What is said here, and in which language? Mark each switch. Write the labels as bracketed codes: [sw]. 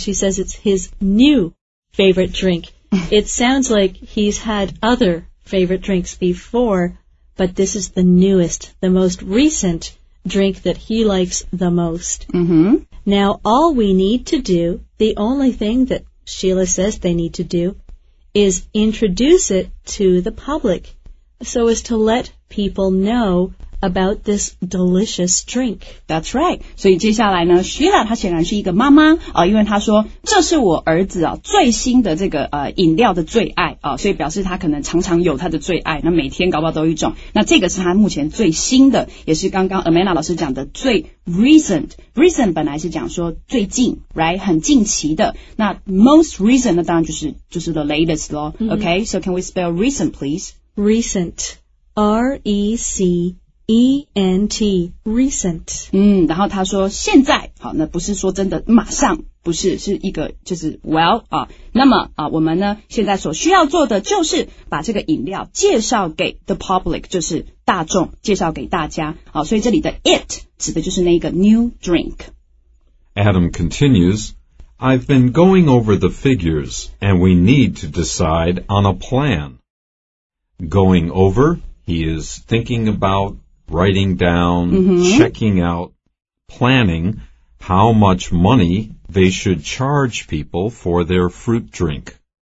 [en] She says it's his new favorite drink. It sounds like he's had other favorite drinks before, but this is the newest, the most recent drink that he likes the most. Mm-hmm. Now, all we need to do, the only thing that Sheila says they need to do, is introduce it to the public so as to let people know about this delicious drink. That's right. [zh] 所以接下来呢 Sheila 她显然是一个妈妈，因为她说这是我儿子最新的这个饮料的最爱，所以表示她可能常常有她的最爱，那每天搞不好都有一种，那这个是她目前最新的，也是刚刚 Amanda 老师讲的最 recent。 Recent 本来是讲说最近 right 很近期的，那 [en] most recent [zh] 当然就是 [en] the latest [zh] 咯、mm-hmm. [en] OK, so can we spell recent please? Recent, R-E-C-E-N-T, recent. [zh] 然后他说现在，好，那不是说真的马上，不是，是一个就是 well, 那么我们呢现在所需要做的就是把这个饮料介绍给 [en] the public, [zh] 就是大众，介绍给大家。好，所以这里的 it 指的就是那个 [en] new drink. Adam continues, I've been going over the figures and we need to decide on a plan. Going over, he is thinking aboutwriting down,、mm-hmm. checking out, planning how much money they should charge people for their fruit drink.